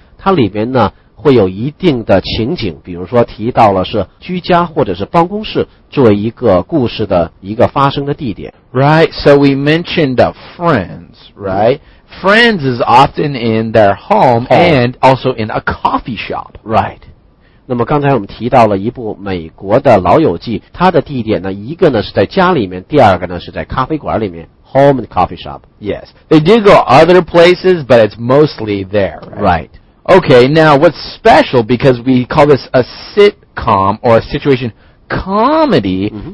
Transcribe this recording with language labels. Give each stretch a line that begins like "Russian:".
Chinese: 它里边呢会有一定的情景，比如说提到了是居家或者是办公室作为一个故事的一个发生的地点。
English: Right, so we mentioned Friends, right? Friends is often in their home and also in a coffee shop. Right.
Chinese: 那么刚才我们提到了一部美国的老友记，它的地点呢，一个呢是在家里面，第二个呢是在咖啡馆里面。
English: Home and coffee shop. Yes. They do go other places, but it's mostly there. Right. Right. Okay, now what's special, because we call this a sitcom or a situation comedy,、mm-hmm.